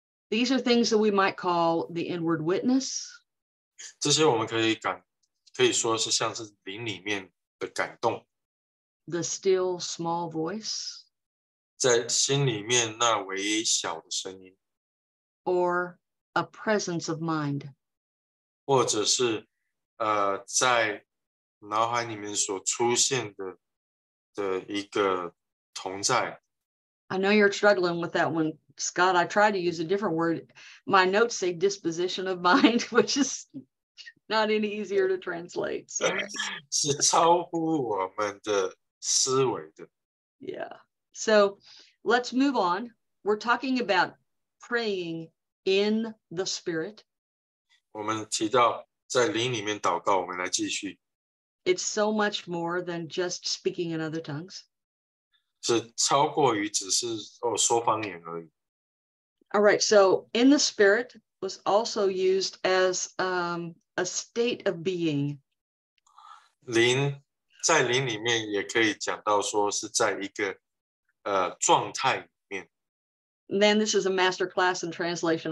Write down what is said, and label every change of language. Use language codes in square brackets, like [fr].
[en] These are things that we might call the inward witness. [zh] 这些我们可以说是像是灵里面的感动。 [en] The still small voice. [zh] 在心里面那微小的声音。 [en] Or a presence of mind. [zh] 或者是在脑海里面所出现的一个同在。 [en] I know you're struggling with that one, Scott. I tried to use a different word. My notes say disposition of mind, which is not any easier to translate. So. [zh] 是超乎我们的思维的。 [en] Yeah. So let's move on. We're talking about praying in the spirit. [zh] 我们提到在灵里面祷告, 我们来继续。 [en] It's so much more than just speaking in other tongues. [zh] 是超过于只是说方言而已。 [en] All right, so in the spirit was also used as a state of being. [zh] 在灵里面也可以讲到说是在一个状态里面。 [en] Man, this is a master class in translation.